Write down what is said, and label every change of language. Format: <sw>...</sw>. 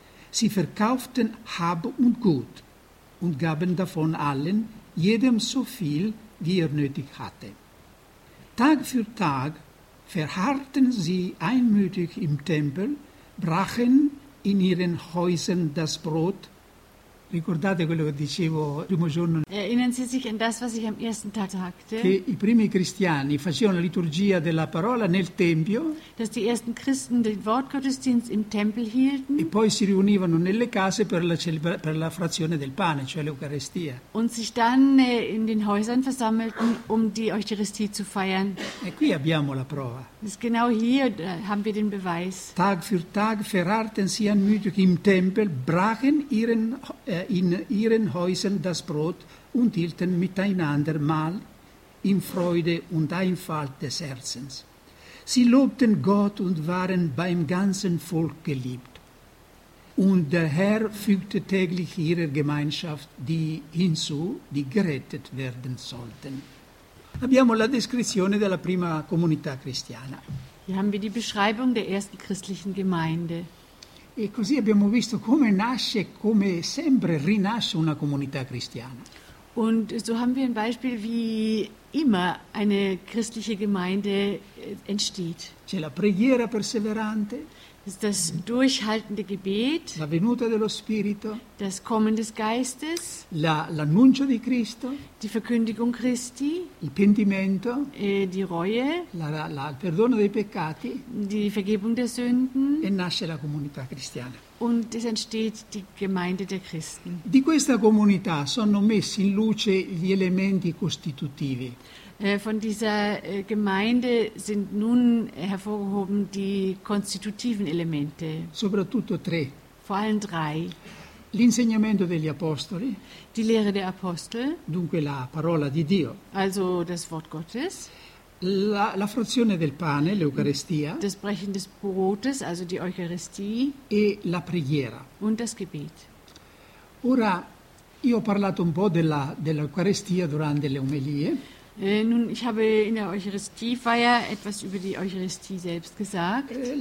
<de>Sie verkauften Hab und Gut und gaben davon allen, jedem so viel, wie er nötig hatte. Tag für Tag verharrten sie einmütig im Tempel, brachen in ihren Häusern das Brot.</de> <it>Ricordate quello che dicevo primo giorno?</it> <de>Erinnern Sie sich an das, was ich am ersten Tag sagte?</de> <it>Che i primi cristiani facevano la liturgia della parola nel tempio.</it> <de>Dass die ersten Christen den Wortgottesdienst im Tempel hielten.</de> <it>E poi si riunivano nelle case per la frazione del pane, cioè l'Eucaristia.</it> <de>Und sich dann in den Häusern versammelten, um die Eucharistie zu feiern.</de> <it>E qui abbiamo la prova.</it> <de>Das genau hier haben wir den Beweis. Tag für Tag verharrten sie einmütig im Tempel, brachen in ihren Häusern das Brot und hielten miteinander Mahl in Freude und Einfalt des Herzens. Sie lobten Gott und waren beim ganzen Volk geliebt. Und der Herr fügte täglich ihrer Gemeinschaft die hinzu, die gerettet werden sollten.</de> <it>Abbiamo la descrizione della prima comunità cristiana.</it> <de>Hier haben wir die Beschreibung der ersten christlichen Gemeinde.</de> <it>E così abbiamo visto come nasce, come sempre rinasce una comunità cristiana.</it> <de>Und so haben wir ein Beispiel, wie immer eine christliche Gemeinde entsteht.</de> <it>C'è la preghiera perseverante.</it> <de>Das durchhaltende Gebet.</de> <it>La venuta dello Spirito.</it> <de>Das Kommen des Geistes.</de> <it>L'annuncio di Cristo.</it> <de>Die Verkündigung Christi.</de> <it>Il pentimento.</it> <de>Die Reue.</de> <it>Il perdono dei peccati.</it> <de>Die Vergebung der Sünden.</de> <it>E nasce la comunità cristiana.</it> <de>Und es entsteht die Gemeinde der Christen.</de> <it>Di questa comunità sono messi in luce gli elementi costitutivi.</it> <de>Von dieser Gemeinde sind nun hervorgehoben die konstitutiven Elemente.</de> <it>Soprattutto tre.</it> <de>Vor allem drei.</de> <it>L'insegnamento degli apostoli.</it> <de>Die Lehre der Apostel.</de> <it>Dunque la parola di Dio.</it> <de>Also das Wort Gottes.</de> <it>La frazione del pane, l'Eucaristia.</it> <de>Das Brechen des Brotes, also die Eucharistie.</de> <it>E la preghiera.</it> <de>Und das Gebet.</de> <it>Ora, io ho parlato un po' dell'Eucaristia durante le omelie.</it> <de>Nun, ich habe in der Eucharistiefeier etwas über die Eucharistie selbst gesagt.</de>